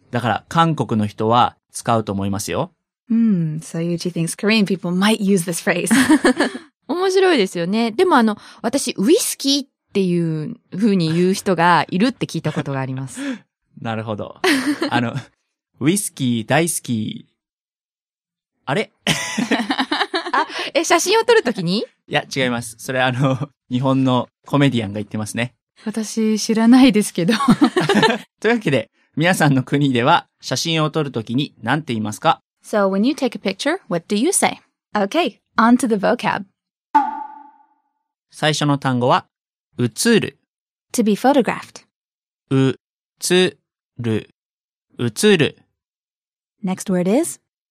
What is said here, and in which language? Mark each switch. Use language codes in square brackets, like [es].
[ja] だから韓国の人は使うと思いますよ。 [en] So Yuichi thinks Korean people might use this phrase. [ja] 面白いですよね。でも私、ウイスキーっていう風に言う人がいるって聞いたことがあります。なるほど。ウイスキー大好き。あれ？あ、写真を撮るときに？いや、違います。それ日本のコメディアンが言ってますね。私、知らないですけど。というわけで、皆さんの国では写真を撮るときに何て言いますか？ [en] So when you take a picture, what do you say? Okay, on to the vocab. [ja] 最初の単語は、写る。 [en] To be photographed. [ja] う、つ、る。写る。 [en] Next word is?